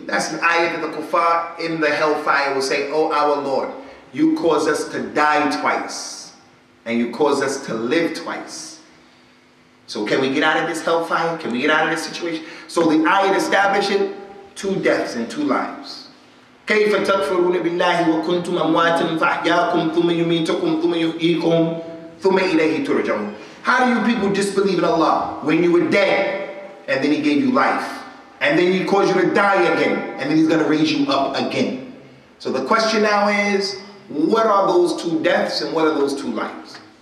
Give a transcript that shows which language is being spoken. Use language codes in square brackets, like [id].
[en] That's an ayah that the kuffar in the hellfire will say, oh our Lord, you cause us to die twice and you cause us to live twice. So can we get out of this hellfire? Can we get out of this situation? So the ayat establishing two deaths and two lives. [ar] كيف تكفرون بالله وكنتم أمواتا فأحياكم ثم يميتكم ثم يحييكم ثم إليه ترجعون. [en] How do you people disbelieve in Allah when you were dead and then he gave you life and then he caused you to die again and then he's going to raise you up again? So the question now is, what are those two deaths and what are those two lives?